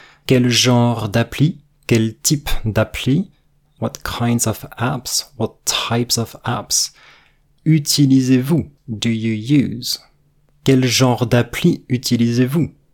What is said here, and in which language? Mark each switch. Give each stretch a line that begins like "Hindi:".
French: Quel genre d'appli, quel type d'appli.
English: What kinds of apps, what types of apps.
French: Utilisez-vous?
English: Do you use?
French: Quel genre d'appli utilisez-vous?